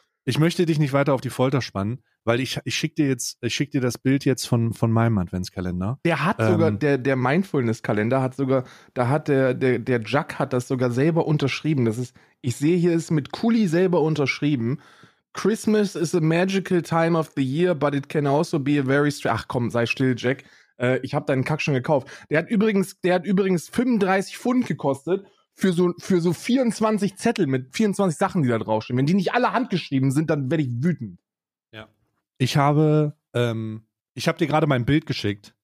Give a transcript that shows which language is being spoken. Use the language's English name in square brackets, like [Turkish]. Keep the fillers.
[German] Ich möchte dich nicht weiter auf die Folter spannen, weil ich, ich schicke dir jetzt, ich schicke dir das Bild jetzt von, von meinem Adventskalender. Der hat ähm. sogar, der, der Mindfulness-Kalender hat sogar, da hat der, der, der Jack hat das sogar selber unterschrieben. Das ist, ich sehe hier ist mit Kuli selber unterschrieben. [English] Christmas is a magical time of the year, but it can also be a very strange. [German] Ach komm, sei still, Jack. Äh, ich habe deinen Kack schon gekauft. Der hat übrigens, der hat übrigens 35 Pfund gekostet für so, für so 24 Zettel mit 24 Sachen, die da draufstehen. Wenn die nicht alle handgeschrieben sind, dann werde ich wütend. Ja. Ich habe, ähm, ich habe dir gerade mein Bild geschickt